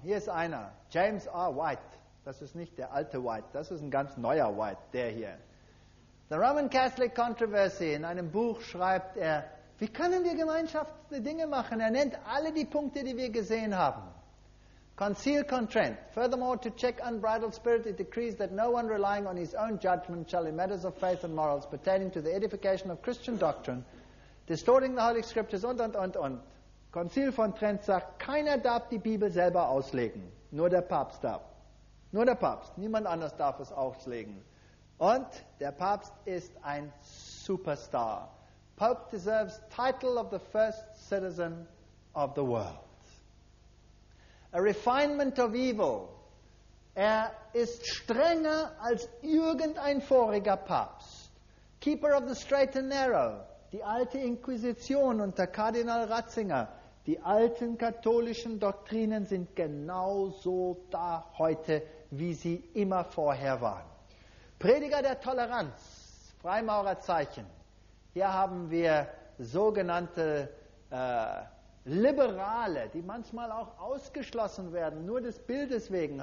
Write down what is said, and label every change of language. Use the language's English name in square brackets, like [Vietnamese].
[German] Hier ist einer, James R. White. Das ist nicht der alte White, das ist ein ganz neuer White, der hier. The Roman Catholic Controversy, in einem Buch schreibt er, wie können wir gemeinschaftliche Dinge machen? Er nennt alle die Punkte, die wir gesehen haben. Concil Contrent. [English] Furthermore, to check unbridled spirit, it decrees that no one relying on his own judgment shall in matters of faith and morals pertaining to the edification of Christian doctrine, distorting the Holy Scriptures, und. [German] Konzil von Trent sagt, keiner darf die Bibel selber auslegen. Nur der Papst darf. Nur der Papst. Niemand anders darf es auslegen. Und der Papst ist ein Superstar. [English] Pope deserves title of the first citizen of the world. A refinement of evil. [German] Er ist strenger als irgendein voriger Papst. [English] Keeper of the straight and narrow. [German] Die alte Inquisition unter Kardinal Ratzinger. Die alten katholischen Doktrinen sind genauso da heute, wie sie immer vorher waren. Prediger der Toleranz, Freimaurerzeichen. Hier haben wir sogenannte Liberale, die manchmal auch ausgeschlossen werden, nur des Bildes wegen.